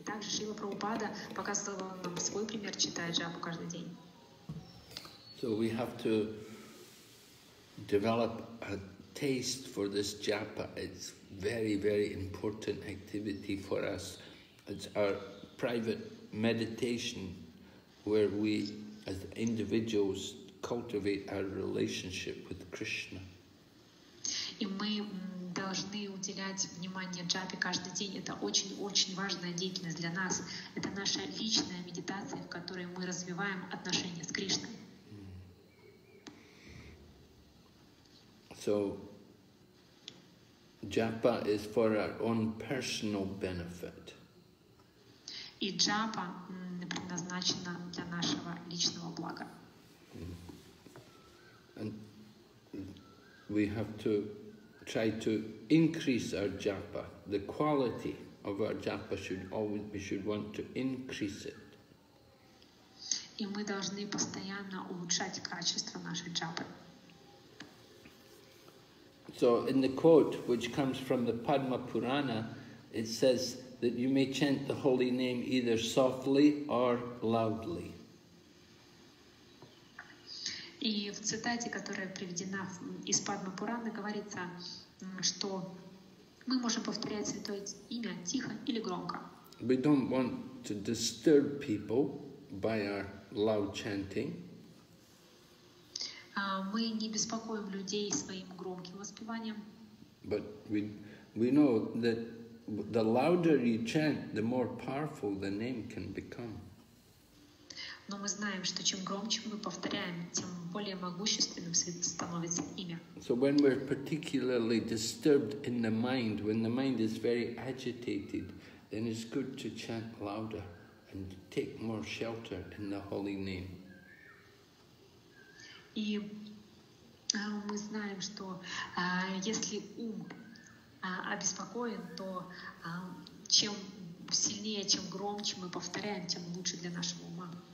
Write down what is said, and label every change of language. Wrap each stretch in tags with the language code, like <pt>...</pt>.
<ru>И также Шрила Прабхупада показывал нам свой пример, читая джапу каждый день.</ru> <en>So we have to develop a taste for this japa. It's very, very important activity for us. It's our private meditation where we, as individuals, cultivate our relationship with Krishna.</en> <ru>И мы должны уделять внимание джапе каждый день. Это очень-очень важная деятельность для нас. Это наша личная медитация, в которой мы развиваем отношения с Кришной.</ru> <en>So, japa is for our own personal benefit.</en> <ru>И джапа предназначена для нашего личного блага.</ru> <en>And we have to try to increase our japa. The quality of our japa should always, we should want to increase it.</en> <ru>И мы должны постоянно улучшать качество нашей джапы.</ru> <en>So in the quote which comes from the Padma Purana, it says that you may chant the holy name either softly or loudly.</en> <ru>И в цитате, которая приведена из Падма Пураны, говорится, что мы можем повторять святое имя тихо или громко.</ru> <en>We don't want to disturb people by our loud chanting.</en> <ru>Мы не беспокоим людей своим громким воспеванием.</ru> <en>But we know that the louder you chant, the more powerful the name can become.</en> <ru>Но мы знаем, что чем громче мы повторяем, тем более могущественным становится имя.</ru> <en>So when we're particularly disturbed in the mind, when the mind is very agitated, then it's good to chant louder and take more shelter in the holy name.</en> <ru>И мы знаем, что если ум обеспокоен, то чем сильнее, чем громче мы повторяем, тем лучше для нашего ума.</ru>